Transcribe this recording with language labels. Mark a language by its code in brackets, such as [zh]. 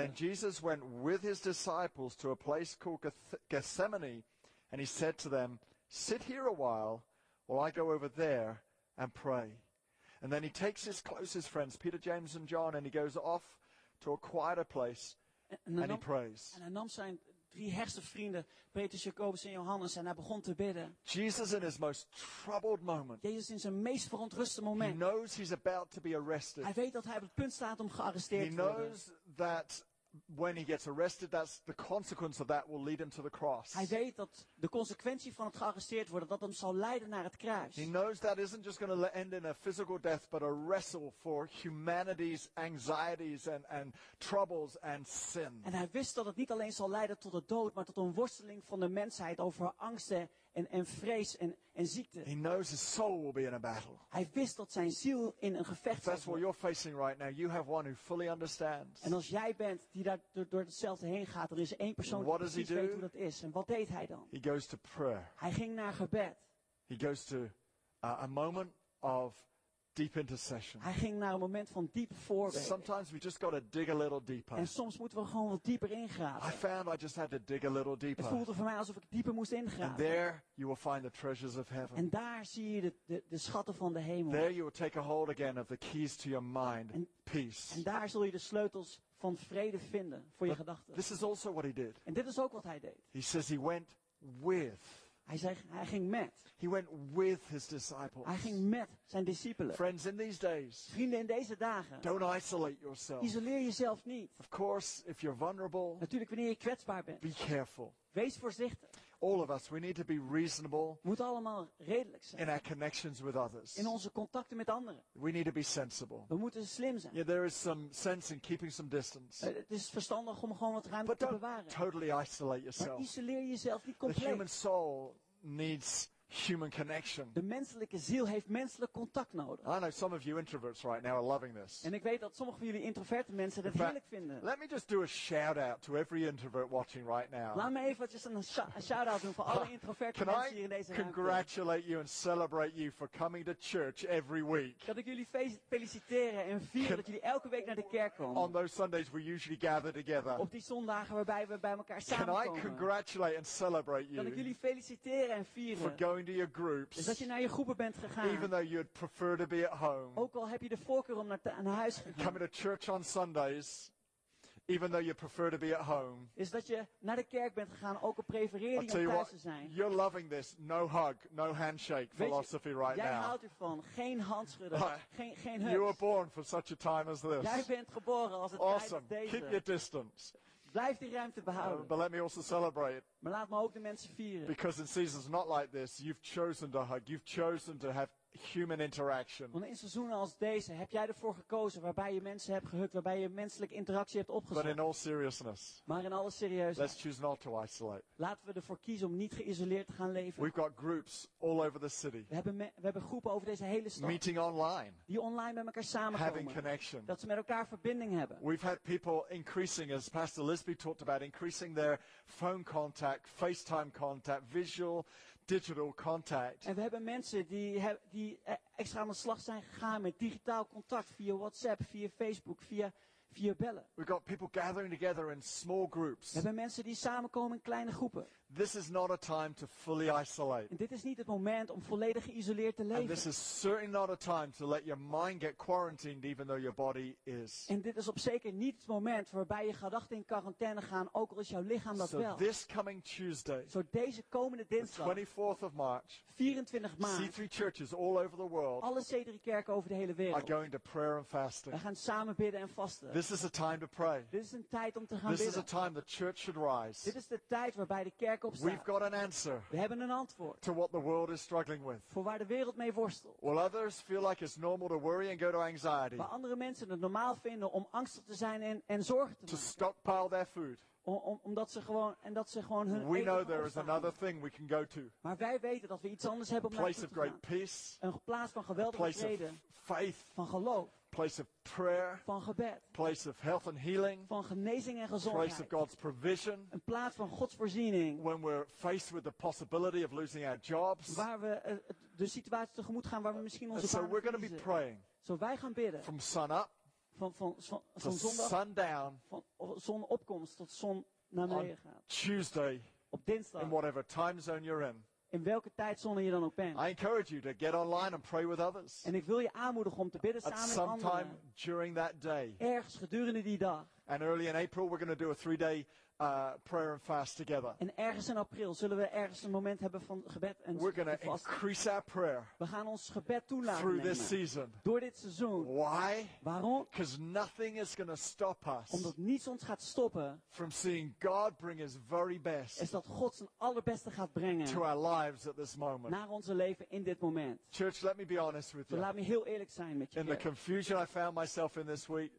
[en] Then Jesus went with his disciples to a place called Gethsemane, and he said to them, "Sit here a while I go over there and pray." And then he takes his closest friends, Peter, James, and John, and he goes off to a quieter place and he prays. [nl] En hij nam zijn drie hechtste vrienden, Petrus, Jacobus en Johannes, en hij begon te bidden. [en] Jesus in his most troubled moment. [nl] Jezus in zijn meest verontruste moment. [en] He knows he's about to be arrested. [nl] Hij weet dat hij op het punt staat om gearresteerd te worden. [en] He knows that when he gets arrested, that's the consequence of that will lead him to the cross. [nl] Hij weet dat de consequentie van het gearresteerd worden dat hem zal leiden naar het kruis. [en] He knows that isn't just going to end in a physical death, but a wrestle for humanity's anxieties and troubles and sin. [nl] En hij wist dat het niet alleen zal leiden tot de dood, maar tot een worsteling van de mensheid over angsten en vrees en ziekte. [en] He knows his soul will be in a battle. [nl] Hij wist dat zijn ziel in een gevecht zal. [en] That's what you're facing right now. You have one who fully understands. [nl] En als jij bent die daar door hetzelfde heen gaat. Er is één persoon die precies weet hoe dat is. En wat deed hij dan? [en] He goes to prayer. [nl] Hij ging naar gebed. [en] He goes to a moment of deep intercession. [nl] Hij ging naar een moment van diep voorbeden. [en] Sometimes we just gotta dig a little deeper. [nl] En soms moeten we gewoon wat dieper ingraven. [en] I found I just had to dig a little deeper. [nl] Het voelde voor mij alsof ik dieper moest ingraven. [en] And there you will find the treasures of heaven. [nl] En daar zie je de schatten van de hemel. [en] There you will take a hold again of the keys to your mind, peace. [nl] En daar zul je de sleutels van vrede vinden voor je gedachten. [en] This is also what he did. [nl] En dit is ook wat hij deed. [en] He says he went with. [nl] Hij zei, hij ging met. [en] He went with his disciples. [nl] Hij ging met zijn discipelen. [en] Friends, in these days. [nl] Vrienden, in deze dagen. [en] Don't isolate yourself. [nl] Isoleer jezelf niet. [en] Of course, if you're vulnerable. [nl] Natuurlijk wanneer je kwetsbaar bent. [en] Be careful. [nl] Wees voorzichtig. [en] All of us, we need to be reasonable. [nl] We moeten allemaal redelijk zijn. [en] In our connections with others. [nl] In onze contacten met anderen. [en] We need to be sensible. [nl] We moeten slim zijn. [en] Yeah, there is some sense in keeping some distance. [nl] Het is verstandig om gewoon wat ruimte [en] but [nl] te bewaren. [en] Don't totally isolate yourself. [nl] Maar isoleer jezelf niet compleet. [en] The human soul needs human connection. [nl] De menselijke ziel heeft menselijk contact nodig. [en] I know some of you introverts right now are loving this. [nl] En ik weet dat sommige van jullie introverte mensen dat heerlijk vinden. [en] Let me just do a shout out to every introvert watching right now. [nl] Laat me even just een shout out doen voor alle introverte mensen hier in deze ruimte. [en] Can I congratulate you and celebrate you for coming to church every week? [nl] Dat ik jullie feliciteren en vieren dat jullie elke week naar de kerk komen. [en] On those Sundays we usually gather together. [nl] Op die zondagen waarbij we bij elkaar samenkomen. [en] Can I congratulate and celebrate you? [nl] Dat ik jullie feliciteren en vieren. [en] For going to your groups, [nl] dat je naar je groepen bent gegaan. [en] Even though you'd prefer to be at home. [nl] Ook al heb je de voorkeur om naar huis te gaan. [en] Coming to church on Sundays, even though you prefer to be at home. [nl] Is dat je naar de kerk bent gegaan, ook al prefereer je om thuis te zijn. [en] You're loving this. No hug, no handshake philosophy right now. [nl] Jij houdt ervan. Geen handschudden. Geen hug. [en] You were born for such a time as this. [nl] Jij bent geboren als het tijd is deze. [en] Keep your distance. [nl] Blijf die ruimte behouden. [en] But let me also celebrate. [nl] Maar laat me ook de mensen vieren. [en] Because in seasons not like this, you've chosen to hug. You've chosen to have human interaction. [nl] Want in seizoenen als deze heb jij ervoor gekozen waarbij je mensen hebt gehugd, waarbij je menselijke interactie hebt opgezocht. [en] But in all seriousness. [nl] Maar in alle serieusheid. [en] Let's choose not to isolate. [nl] Laten we ervoor kiezen om niet geïsoleerd te gaan leven. [en] We've got groups all over the city. [nl] We hebben groepen over deze hele stad. [en] Meeting online. [nl] Die online met elkaar samenkomen. [en] Having connection. [nl] Dat ze met elkaar verbinding hebben. [en] We've had people increasing, as Pastor Lisby talked about, increasing their phone contact, FaceTime contact, visual, digital contact. [nl] En we hebben mensen die extra aan de slag zijn gegaan met digitaal contact via WhatsApp, via Facebook, via bellen. [en] We've got people gathering together in small groups. [nl] We hebben mensen die samenkomen in kleine groepen. [en] This is not a time to fully isolate. [nl] En dit is niet het moment om volledig geïsoleerd te leven. [en] And this is certainly not a time to let your mind get quarantined even though your body is. [nl] En dit is op zeker niet het moment waarbij je gedachten in quarantaine gaan, ook al is jouw lichaam dat [en] so [nl] wel. [en] So this coming Tuesday. [nl] Zo deze komende dinsdag. [en] The 24th of March. [nl] 24 maart. [en] C3 churches all over the world. [nl] Alle C3 kerken over de hele wereld. [en] Are going to prayer and fasting. [nl] We gaan samen bidden en vasten. [en] This is a time to pray. [nl] Dit is een tijd om te gaan [en] this [nl] bidden. [en] This is a time the church should rise. [nl] Dit is de tijd waarbij de kerk [en] we've got an answer. [nl] We hebben een antwoord. [en] To what the world is struggling with. [nl] Voor waar de wereld mee worstelt. [en] Will others feel like it's normal to worry and go to anxiety? [nl] Waar andere mensen het normaal vinden om angstig te zijn en zorgen te maken. [en] To stockpile their food. [nl] Omdat ze gewoon hun [en] we know there is another thing we can go to. [nl] Maar wij weten dat we iets anders hebben om naar toe te gaan. [en] Place of great peace. [nl] Een plaats van geweldige vrede. [en] Faith. [nl] Van geloof. [en] Place of prayer. [nl] Van gebed. [en] Place of health and healing. [nl] Van genezing en gezondheid. [en] Place of God's provision. [nl] Een plaats van Gods voorziening. [en] When we're faced with the possibility of losing our jobs. [nl] Waar we de situatie tegemoet gaan waar we misschien onze banen verliezen. [en] So we're going to be praying. [nl] Zo wij gaan bidden. [en] From sun up. [nl] Van zondag, [en] sundown, [nl] van zonopkomst tot zon naar beneden gaat. [en] Tuesday, [nl] op dinsdag. [en] In whatever time zone you're in. [nl] In welke tijdzone je dan ook bent. [en] I encourage you to get online and pray with others. [nl] En ik wil je aanmoedigen om te bidden samen [en] at [nl] met anderen. [en] Sometime during that day. [nl] Ergens gedurende die dag. [en] And early in April we're going to do a 3-day prayer and fast together. [nl] En ergens in april zullen we ergens een moment hebben van gebed en [en] we're going to increase our prayer. [nl] We gaan ons gebed toelaten. [en] Through this season. [nl] Door dit seizoen. [en] Why? [nl] Waarom? [en] Because nothing is going to stop us. [nl] Omdat niets ons gaat stoppen. [en] From seeing God bring His very best. [nl] Is dat God zijn allerbeste gaat brengen. [en] To our lives at this moment. [nl] Naar onze leven in dit moment. [en] Church, let me be honest with you. [nl] Laat me heel eerlijk zijn met je. [en] In the confusion I found myself in this week.